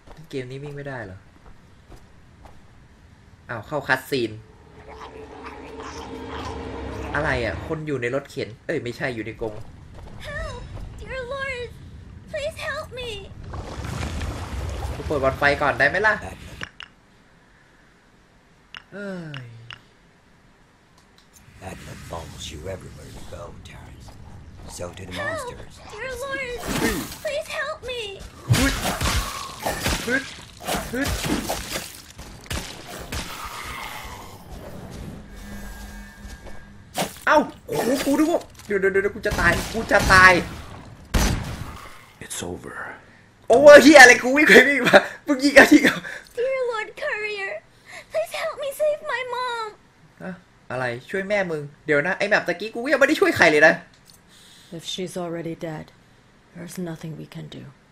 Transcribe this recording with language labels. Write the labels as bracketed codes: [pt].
[th] เกมนี้วิ่งไม่ได้เหรออ้าวเข้าคัตซีนอะไรอ่ะคนอยู่ในรถเข็นเอ้ยไม่ใช่อยู่ในกรง [en] Help, dear Lord. Please help me. [th] กูเปิดบอลไฟก่อนได้ไหมล่ะเอ้ย [en] Admin follows you everywhere you go, Terrence. So do the monsters. Help, dear Lord. Please help me. [th] เอ้าโอ้โหกูดูว่าเดี๋ยวกูจะตาย [en] It's over Over here [th] อะไรกูวิ่งไปวิ่งมาเมื่อกี้กันที่กับ [en] Dear Lord Courier Please help me save my mom [th] อะไรช่วยแม่มึงเดี๋ยวนะไอ้แบบตะกี้กูยังไม่ได้ช่วยใครเลยนะ [en] If she's already dead There's nothing we can do